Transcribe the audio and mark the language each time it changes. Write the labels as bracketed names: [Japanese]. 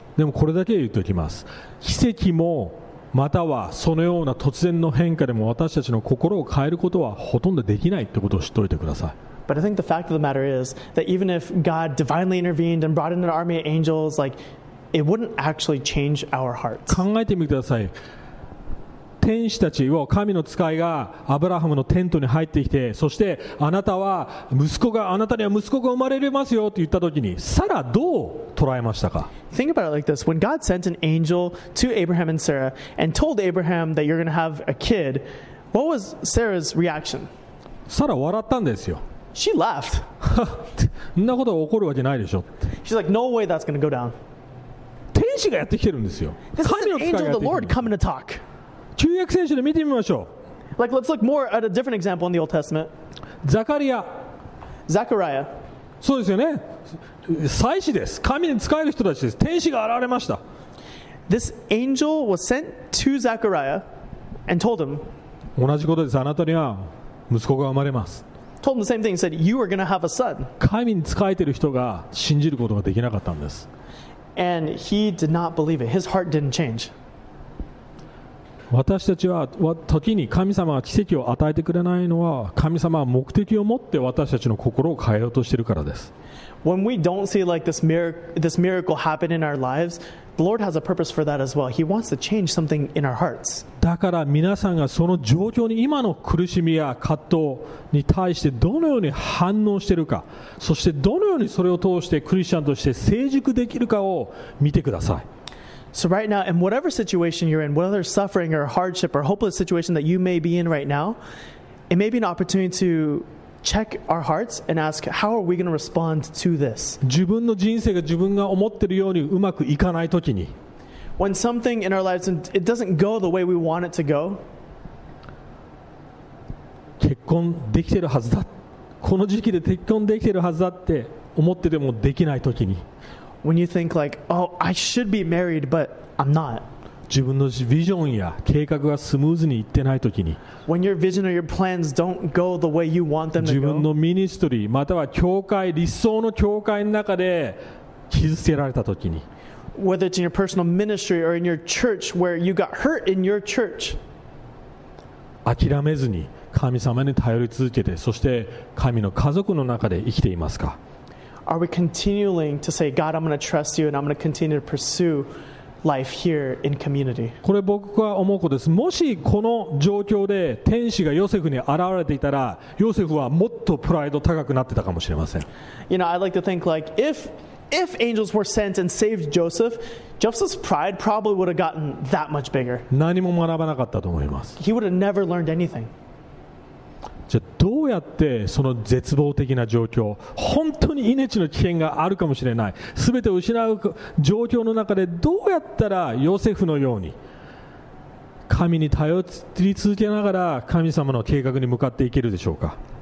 [Japanese] でもこれだけ言っておきます。奇跡もまたはそのような突然の変化でも私たちの心を変えることはほとんどできないってことを知っておいてください。 [English] But I think the fact of the matter is that even if God divinely intervened and brought in an army of angels, like, it wouldn't actually change our hearts. [Japanese] 考えてみてください。天使たちを神の使いがアブラハムのテントに入ってきて、そしてあなたには息子が生まれますよと言ったときに、サラどう捉えましたか。 [English] Think about it like this. When God sent an angel to Abraham and Sarah and told Abraham that you're going to have a kid, what was Sarah's reaction? [Japanese] サラ笑ったんですよ。 [English] She laughed. [Japanese] そんなことは起こるわけないでしょ。 [English] She's like, no way that's going to go down. [Japanese] 天使がやってきてるんですよ。 [English] This is an angel of the Lord coming to talk. [Japanese] 旧約聖書で見てみましょう。 [English] Like, let's look more at a different example in the Old Testament. [Japanese] ザカリア。 [English] Zachariah. [Japanese] そうですよね。祭司です。神に仕える人たちです。天使が現れました。 [English] This angel was sent to Zachariah and told him. [Japanese] 同じことです。あなたには息子が生まれます。 [English] Told him the same thing. He said, you are going to have a son. [Japanese] 神に仕えている人が信じることができなかったんです。 [English] And he did not believe it. His heart didn't change. [Japanese] 私たちは時に神様が奇跡を与えてくれないのは神様は目的を持って私たちの心を変えようとしているからです。 [English] When we don't see like this miracle happen in our lives, the Lord has a purpose for that as well. He wants to change something in our hearts. [Japanese] だから皆さんがその状況に今の苦しみや葛藤に対してどのように反応しているか、そしてどのようにそれを通してクリスチャンとして成熟できるかを見てください。 [English] So right now, in whatever situation you're in, whether suffering or hardship or hopeless situation that you may be in right now, it may be an opportunity to check our hearts and ask, how are we going to respond to this? [Japanese] 自分の人生が自分が思ってるようにうまくいかないときに、 [English] when something in our lives it doesn't go the way we want it to go, [Japanese] 結婚できてるはずだ、この時期で結婚できてるはずだって思っててもできないときに、 [English] when you think like, oh, I should be married, but I'm not. [Japanese] 自分のビジョンや計画がスムーズにいってないときに、 [English] when your vision or your plans don't go the way you want them to go. [Japanese] 自分のミニストリー、または教会、理想の教会の中で傷つけられたときに、 [English] whether it's in your personal ministry or in your church where you got hurt in your church. [Japanese] 諦めずに神様に頼り続けて、そして神の家族の中で生きていますか？ [English] Are we continuing to say, God, I'm going to trust you and I'm going to continue to pursue life here in community? [Japanese] これ僕は思うことです。もしこの状況で天使がヨセフに現れていたら、ヨセフはもっとプライド高くなってたかもしれません。 [English] You know, I like to think like, if angels were sent and saved Joseph, Joseph's pride probably would have gotten that much bigger. [Japanese] 何も学ばなかったと思います。 [English] He would have never learned anything. [Japanese] じゃあどうやってその絶望的な状況、本当に命の危険があるかもしれない、全てを失う状況の中でどうやったらヨセフのように神に頼り続けながら神様の計画に向かっていけるでしょうか。